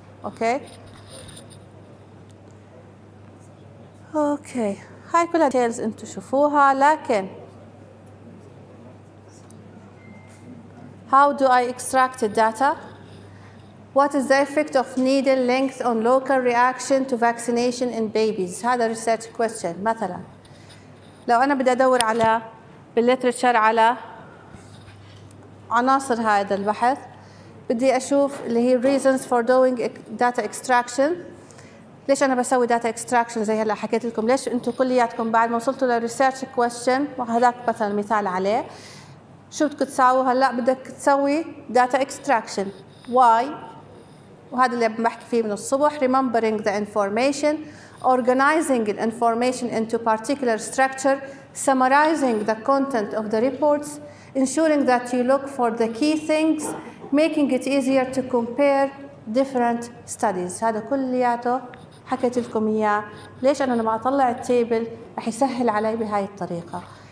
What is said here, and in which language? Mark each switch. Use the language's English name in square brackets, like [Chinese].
[Arabic] اوكي اوكي هاي كلها [English] details [Arabic] انتو شوفوها، لكن [English] how do I extract the data، what is the effect of needle length on local reaction to vaccination in babies، هذا research question. [Arabic] مثلا لو انا بدي ادور على بالليترشر على عناصر هذا البحث، بدي اشوف اللي هي [English] reasons for doing data extraction. [Arabic] ليش انا بسوي data extraction؟ زي هلا حكيت لكم ليش انتم كلياتكم بعد ما وصلتوا للريسيرش كويستشن، وهذاك مثلا مثال عليه، شو بدكم تساووا؟ هلا بدك تسوي data extraction. [English] why؟ [Arabic] وهذا اللي بحكي فيه من الصبح، [English] remembering the information، organizing the information into particular structure، summarizing the content of the reports، ensuring that you look for the key things، making it easier to compare different studies. [Arabic] هذا كلياته حكيت لكم اياه، ليش انا لما اطلع التيبل رح يسهل علي بهاي الطريقه.